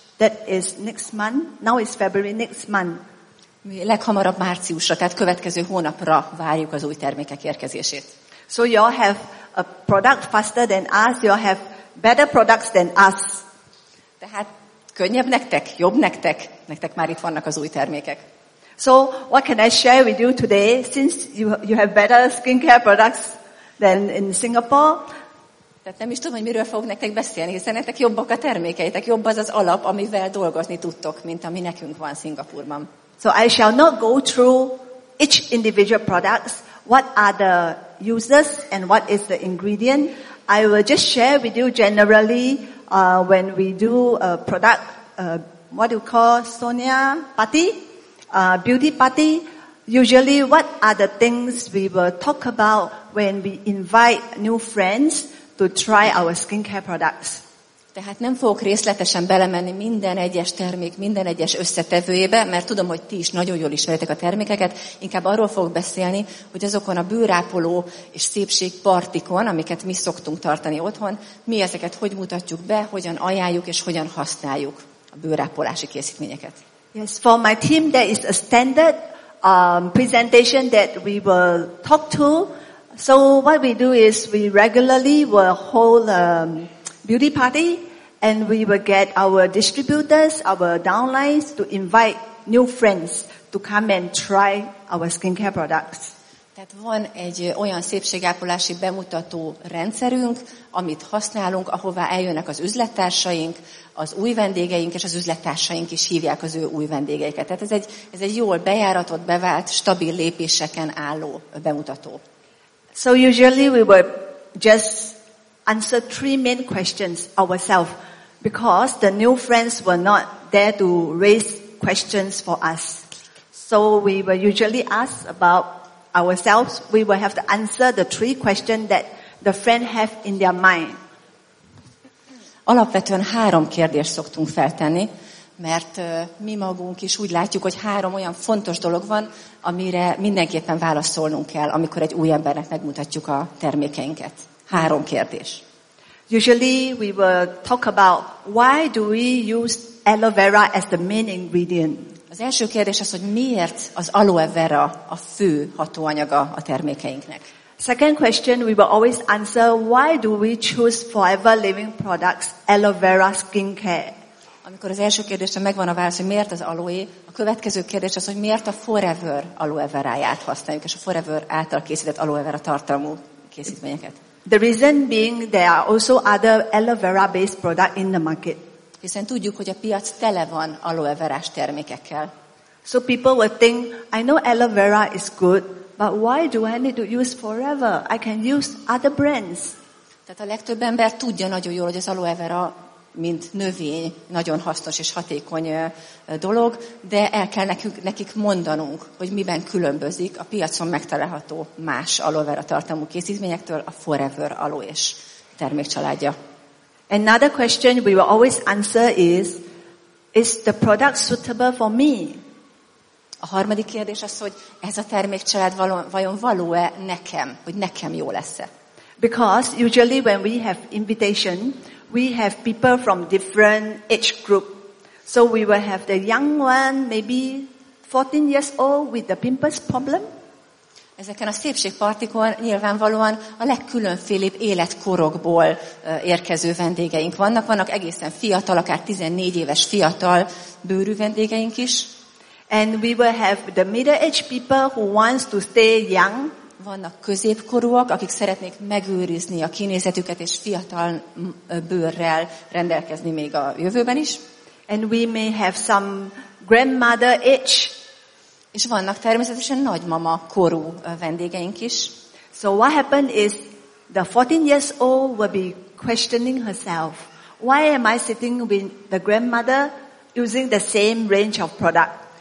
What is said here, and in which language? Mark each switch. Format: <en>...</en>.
<en>That is next month. Now is February, next month.</en> <hu>Mi leghamarabb márciusra, tehát következő hónapra várjuk az új termékek érkezését.</hu> <en>So you all have a product faster than us, you all have better products than us.</en> <hu>Tehát könnyebb nektek, jobb nektek, nektek már itt vannak az új termékek.</hu> <en>So what can I share with you today? Since you have better skincare products than in Singapore.</en> <hu>Tehát nem is tudom, hogy miről fogok nektek beszélni, hiszen nektek jobbak a termékeitek, jobb az az alap, amivel dolgozni tudtok, mint ami nekünk van Szingapúrban.</hu> <en>So I shall not go through each individual products. What are the uses and what is the ingredient? I will just share with you generally when we do a product. What do you call Sonia Patti? Beauty party, usually what are the things we will talk about when we invite new friends to try our skincare products.</en> <hu>Tehát nem fogok részletesen belemenni minden egyes termék, minden egyes összetevőjébe, mert tudom, hogy ti is nagyon jól ismeritek a termékeket. Inkább arról fogok beszélni, hogy azokon a bőrápoló és szépség partikon, amiket mi szoktunk tartani otthon, mi ezeket hogy mutatjuk be, hogyan ajánljuk és hogyan használjuk a bőrápolási készítményeket.</hu> <en>Yes, for my team, there is a standard presentation that we will talk to. So what we do is we regularly will hold a beauty party and we will get our distributors, our downlines to invite new friends to come and try our skincare products.</en> <hu>Tehát van egy olyan szépségápolási bemutató rendszerünk, amit használunk, ahová eljönnek az üzlettársaink, az új vendégeink és az üzlettársaink is hívják az ő új vendégeiket. Tehát ez egy jól bejáratott, bevált, stabil lépéseken álló bemutató.</hu> <en>So usually we will just answer three main questions ourselves because the new friends were not there to raise questions for us. So we will usually ask about ourselves, we will have to answer the three questions that the friend have in their mind.</en> <hu>Alapvetően három kérdést szoktunk feltenni, mert mi magunk is úgy látjuk, hogy három olyan fontos dolog van, amire mindenképpen válaszolnunk kell, amikor egy új embernek megmutatjuk a termékeinket. Három kérdés.</hu> <en>Usually we will talk about why do we use aloe vera as the main ingredient.</en> <hu>Az első kérdés az, hogy miért az aloe vera a fő hatóanyaga a termékeinknek.</hu> <en>Second question we will always answer why do we choose Forever Living products aloe vera skincare.</en> <hu>Amikor az első kérdésre megvan a válasz, hogy miért az aloe, a következő kérdés az, hogy miért a Forever aloe veráját használjuk és a Forever által készített aloe vera tartalmú készítményeket.</hu> <en>The reason being there are also other aloe vera based product in the market.</en> <hu>Hiszen tudjuk, hogy a piac tele van aloe verás termékekkel.</hu> <en>So people will think, I know aloe vera is good, but why do I need to use Forever? I can use other brands.</en> <hu>Tehát a legtöbb ember tudja nagyon jól, hogy az aloe vera, mint növény, nagyon hasznos és hatékony dolog, de el kell nekik mondanunk, hogy miben különbözik a piacon megtalálható más aloe vera tartalmú készítményektől a Forever aloe és termékcsaládja.</hu> <en>Another question we will always answer is the product suitable for me?</en> <hu>A harmadik kérdés az, hogy ez a termékcsalád vajon való-e nekem, hogy nekem jó lesz-e?</hu> <en>Because usually when we have invitation, we have people from different age group. So we will have the young one, maybe 14 years old with the pimples problem.</en> <hu>Ezeken a szépségpartikon nyilvánvalóan a legkülönfélébb életkorokból érkező vendégeink vannak. Vannak egészen fiatal, akár 14 éves fiatal bőrű vendégeink is.</hu> <en>And we will have the middle-aged people who wants to stay young.</en> <hu>Vannak középkorúak, akik szeretnék megőrizni a kinézetüket és fiatal bőrrel rendelkezni még a jövőben is.</hu> <en>And we may have some grandmother age.</en> <hu>És vannak természetesen nagymama korú vendégeink is.</hu> <en>So what happened is the 14 years old will be questioning herself. Why am I sitting with the grandmother using the same range of product?</en>